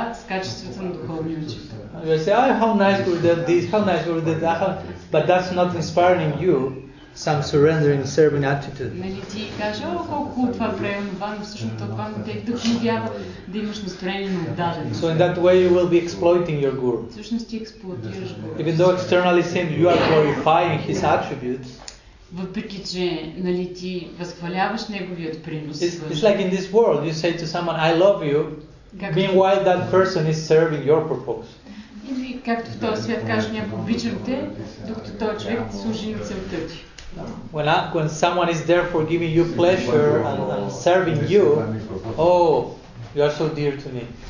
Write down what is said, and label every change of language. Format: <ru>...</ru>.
<en>You say, oh, how nice were that this, how nice were that that, but that's not inspiring you some surrendering, serving attitude.</en> <bg>Нали ти кажеш, о, колко хубаво това правилно, но всъщност това не те вдъхновява да имаш настроение на отдаване.</bg> <en>So in that way you will be exploiting your guru.</en> <bg>Всъщност ти експлоатираш Гуру.</bg> <en>Even though externally seem you are glorifying his attributes.</en> <bg>Въпреки че нали ти възхваляваш неговият принос.</bg> <en>It's like in this world, you say to someone, I love you, meanwhile that person is serving your purpose.</en> <bg>Или както в този свят кажа, някой обичам те, докато този човек ти служи на целта ти.</bg> <en>When someone is there for giving you pleasure and serving you, oh, you are so dear to me.</en>